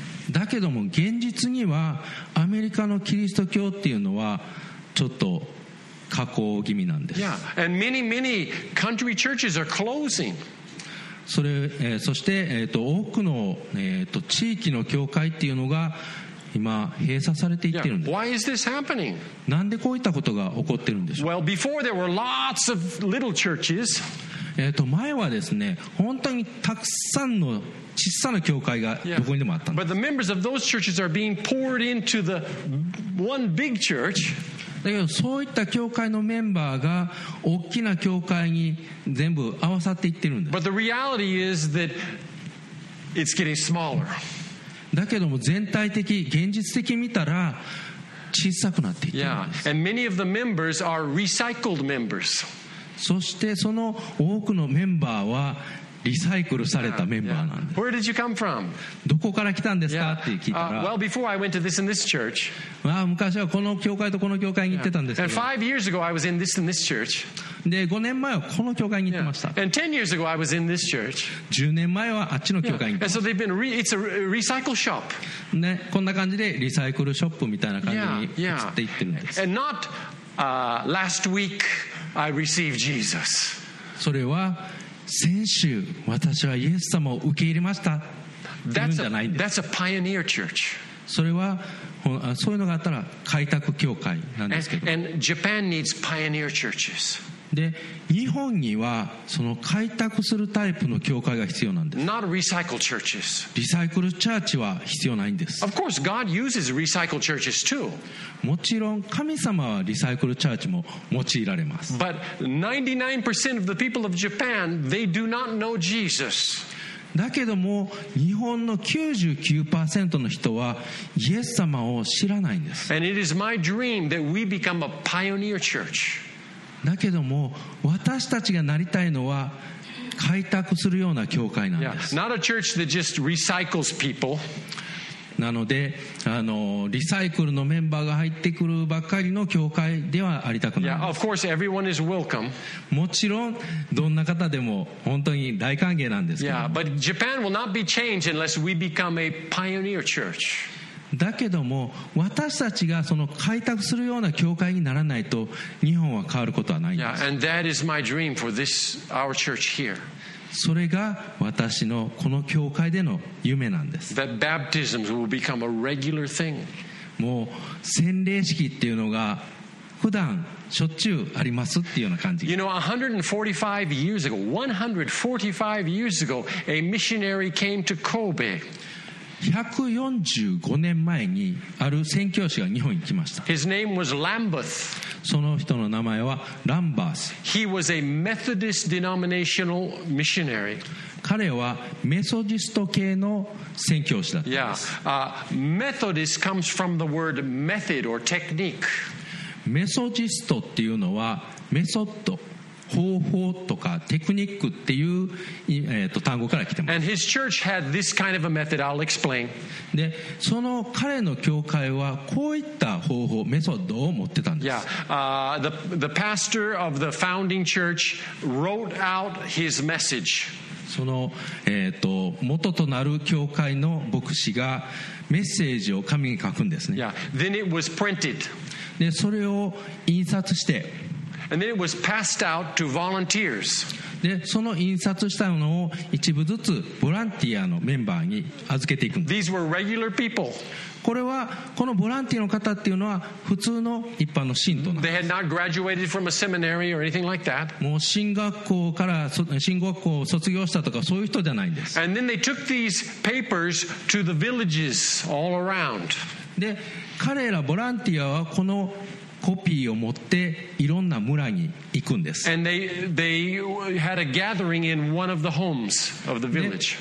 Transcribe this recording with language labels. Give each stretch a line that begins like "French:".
Japanese: だけども現実にはアメリカのキリスト教っていうのはちょっと下降気味なんです。
English: Yeah, and many, many country churches are closing.
Japanese: そして、多くの、地域の教会っていうのが今閉鎖されていってるんです。
English: Why is this happening?
Japanese: なんでこういったことが起こってるんでしょう。
English: Well, before there were lots of little churches.
Japanese: 前はですね、本当にたくさんの小さな教会がどこにでもあったんです。
English: But the members of those churches are being poured into the one big church.
Japanese: だけどそういった教会のメンバーが大きな教会に全部合わさっていってるんです。
English: But the reality is that it's getting smaller.
Japanese: だけども全体的、現実的に見たら小さくなっていってるんです。
English: Yeah. And many of the members are recycled members.
Japanese: そしてその多くのメンバーはリサイクルされたメンバーなんです。
English: Yeah, yeah. Where did you come from?
Japanese: どこから来たんですか、yeah. って聞いたら、
English: well, before I went to this and this church,
Japanese: 昔はこの教会とこの教会に行ってたんですけど、
English: and 5 years ago I was in this and this church.
Japanese: で、5年前はこの教会に行ってました。
English: yeah. and 10 years ago I was in this church.
Japanese: 10年前はあっちの教会に行ってました。
English: yeah. and so it's a recycle shop.
Japanese: ね、こんな感じでリサイクルショップみたいな感じに移っていってるんです。
English: yeah. Yeah. and not last week I received Jesus.
Japanese: それは先週私はイエス様を受け入れましたというんじゃないんです。
English: that's a pioneer church.
Japanese: それはそういうのがあったら開拓教会なんですけど、
English: and Japan needs pioneer churches.
Japanese: で、日本にはその開拓するタイプの教会が必要なんです。
English: not recycle churches.
Japanese: リサイクルチャーチは必要ないんです。
English: of course God uses recycle churches too.
Japanese: もちろん神様はリサイクルチャーチも用いられます。
English: but 99% of the people of Japan, they do not know Jesus.
Japanese: だけども日本の 99% の人はイエス様を知らないんです。
English: and it is my dream that we become a pioneer church.
Japanese: だけども私たちがなりたいのは開拓するような教会なんです。
English: yeah, not a church that just recycles people.
Japanese: なのでリサイクルのメンバーが入ってくるばかりの教会ではありたくない。
English: yeah, of course, everyone is welcome.
Japanese: もちろんどんな方でも本当に大歓迎なんですけど、
English: yeah, but Japan will not be changed unless we become a pioneer church.
Japanese: だけども私たちがその開拓するような教会にならないと日本は変わることはないんです。
English: yeah, and that is my dream for this, our church here.
Japanese: それが私のこの教会での夢なんです。
English: that baptisms will become a regular thing.
Japanese: もう洗礼式っていうのが普段しょっちゅうありますっていうような感じ。
English: you know, 145 years ago, 145 years ago, a missionary came to Kobe.
Japanese: 145年前にある宣教師が日本に来ました。
English: His name was Lambeth.
Japanese: その人の名前はランバース。
English: He was a Methodist denominational missionary.
Japanese: 彼はメソジスト系の宣教師だったんです。
English: Yeah. Methodist comes from the word method or technique.
Japanese: メソジストっていうのはメソッド、方法とかテクニックっていう、単語から来てます。
English: And his church had this kind of a method, I'll explain.
Japanese: で、その彼の教会はこういった方法、メソッドを持ってたんです。
English: Yeah. The pastor of the founding church wrote out his message.
Japanese: その、元となる教会の牧師がメッセージを紙に書くんですね。
English: Yeah. Then it was printed.
Japanese: で、それを印刷して
English: And then it was passed out to volunteers.
Japanese: で、その印刷したのを一部ずつボランティアのメンバーに預けていくんです。
English: These were regular people.
Japanese: これはこのボランティアの方っていうのは普通の一般の信徒なんです。
English: They had not graduated from a seminary or anything like that.
Japanese: もう進学校を卒業したとかそういう人じゃないんです。
English: And then they took these papers to the villages all around.
Japanese: で、彼らボランティアはこのコピーを持っていろんな村に行くんです。
English: And they had a gathering in one of the homes of the village.